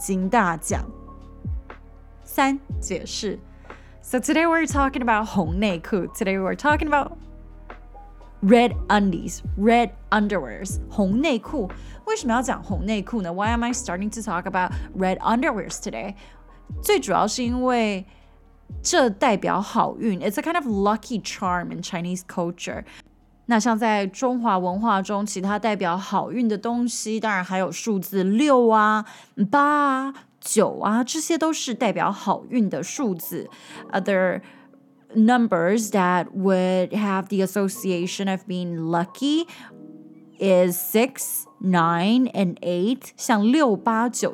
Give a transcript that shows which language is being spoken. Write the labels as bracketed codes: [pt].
[zh] 那穿红内裤到底能不能带来好运呢？我朋友昨天参加红公司聚餐时，就穿了红色内裤，并且抽到了12000元的现金大奖。三解释。 [en] So today we're talking about 红内裤. Today we're talking about red undies, red underwears, 红内裤. [zh] 为什么要讲红内裤呢? [en] Why am I starting to talk about red underwears today? [zh] 最主要是因为这代表好运. [en] It's a kind of lucky charm in Chinese culture. [zh] 那像在中华文化中其他代表好运的东西, 当然还有数字6啊, 8啊, 9啊, 这些都是代表好运的数字. [en] Other numbers that would have the association of being lucky is 6, 9, and 8.